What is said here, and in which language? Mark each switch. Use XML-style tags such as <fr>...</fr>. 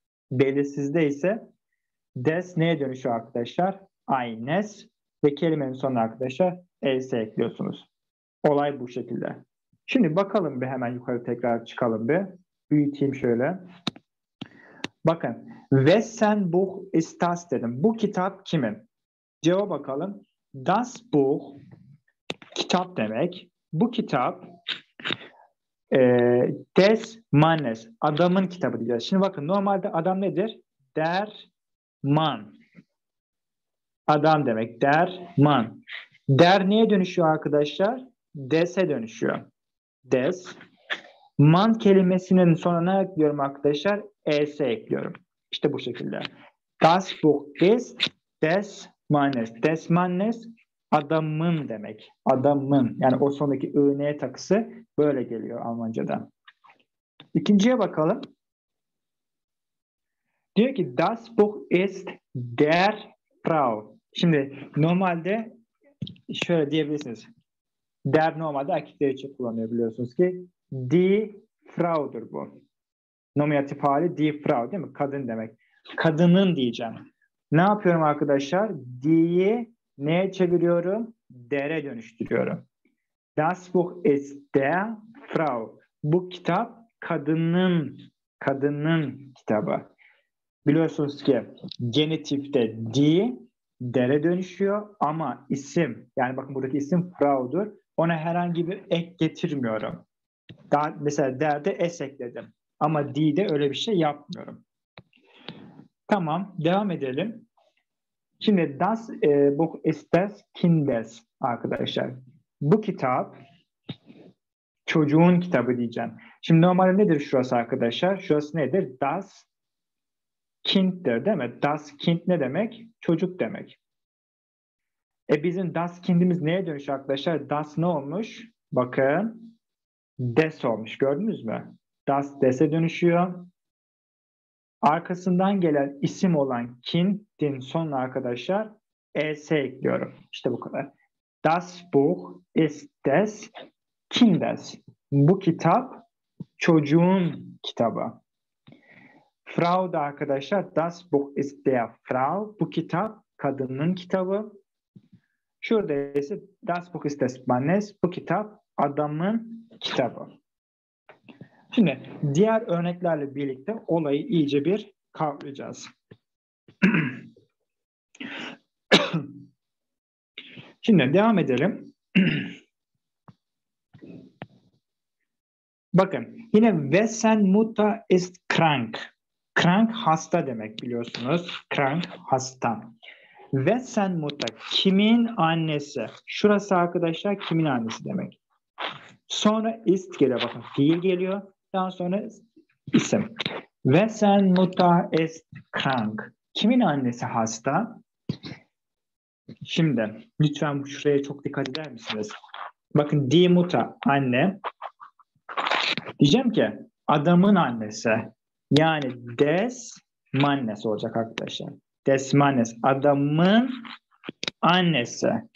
<tr>Belirsizde ise des neye dönüşüyor arkadaşlar? Aynes ve kelimenin sonuna arkadaşlar es ekliyorsunuz. Olay bu şekilde. Şimdi bakalım bir hemen yukarı tekrar çıkalım bir. Büyüteyim şöyle. Bakın.</tr> <de>Wessen Buch ist das</de> <tr>dedim. Bu kitap kimin? Cevap bakalım. Das Buch kitap demek. Bu kitap</tr> <de>des Mannes</de> <tr>adamın kitabı diyeceğiz. Şimdi bakın normalde adam nedir? Der Mann. Adam demek. Der Mann. Der neye dönüşüyor arkadaşlar? Des'e dönüşüyor. Des. Man kelimesinin sonuna ne ekliyorum arkadaşlar? Es ekliyorum. İşte bu şekilde.</tr> <de>Das Buch ist des Mannes.</de> <tr>Des Mannes adamın demek. Adamın. Yani o sondaki ı-n takısı böyle geliyor Almanca'da. İkinciye bakalım. Diyor ki</tr> <de>Das Buch ist der Frau.</de> <tr>Şimdi normalde şöyle diyebilirsiniz. Der normalde erkekler için kullanıyor biliyorsunuz ki. Die Frau'dur bu. Nominatif hali die Frau değil mi? Kadın demek. Kadının diyeceğim. Ne yapıyorum arkadaşlar? Die'yi neye çeviriyorum? Der'e dönüştürüyorum.</tr> <de>Das Buch ist der Frau.</de> <tr>Bu kitap kadının kitabı. Biliyorsunuz ki genitifte die der'e dönüşüyor ama isim yani bakın buradaki isim Frau'dur. Ona herhangi bir ek getirmiyorum. Daha mesela derde es ekledim. Ama di'de öyle bir şey yapmıyorum. Tamam. Devam edelim.</tr> <de>Şimdi das Buch ist des Kindes arkadaşlar.</de> <tr>Bu kitap çocuğun kitabı diyeceğim. Şimdi normalde nedir şurası arkadaşlar? Şurası nedir? Das Kind'dir değil mi? Das Kind ne demek? Çocuk demek. Bizim das kindimiz neye dönüşüyor arkadaşlar? Das ne olmuş? Bakın. Des olmuş. Gördünüz mü? Das des'e dönüşüyor. Arkasından gelen isim olan kind'in sonuna arkadaşlar es ekliyorum. İşte bu kadar.</tr> <de>Das Buch ist des Kindes.</de> <tr>Bu kitap çocuğun kitabı.</tr> <de>Frau da arkadaşlar das Buch ist der Frau.</de> <tr>Bu kitap kadının kitabı. Şurada ise</tr> <de>Das Buch ist des Mannes.</de> <tr>Bu kitap adamın kitabı. Şimdi diğer örneklerle birlikte olayı iyice bir kavrayacağız. Şimdi devam edelim. Bakın yine</tr> <de>Wessen Mutter ist krank.</de> <tr>Krank hasta demek biliyorsunuz. Krank hasta. Wessen Mutter kimin annesi? Şurası arkadaşlar kimin annesi demek. Sonra ist geliyor bakın fiil geliyor. Daha sonra isim.</tr> <de>Wessen Mutter ist krank.</de> <tr>Kimin annesi hasta? Şimdi lütfen şuraya çok dikkat eder misiniz? Bakın die Mutter anne. Diyeceğim ki adamın annesi. Yani des Mannes olacak arkadaşlar. Des Mannes adamın annesi.</tr>